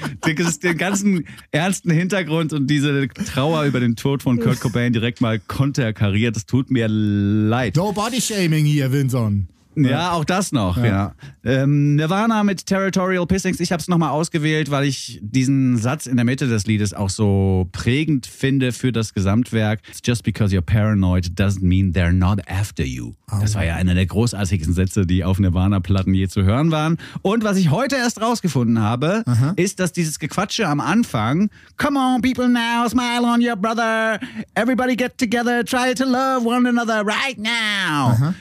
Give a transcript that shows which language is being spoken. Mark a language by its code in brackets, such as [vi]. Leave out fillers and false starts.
[de] Den ganzen ernsten Hintergrund und diese Trauer über den Tod von Kurt Cobain direkt mal konterkariert, das tut mir leid. No body shaming hier, Vinson. Ja, auch das noch, ja. Nirvana mit Territorial Pissings. Ich habe es nochmal ausgewählt, weil ich diesen Satz in der Mitte des Liedes auch so prägend finde für das Gesamtwerk. [en] It's just because you're paranoid doesn't mean they're not after you. [de] Das war ja einer der großartigsten Sätze, die auf Nirvana-Platten je zu hören waren. Und was ich heute erst rausgefunden habe, ist, dass dieses Gequatsche am Anfang, [en] come on people now, smile on your brother, everybody get together, try to love one another right now. [de] Aha.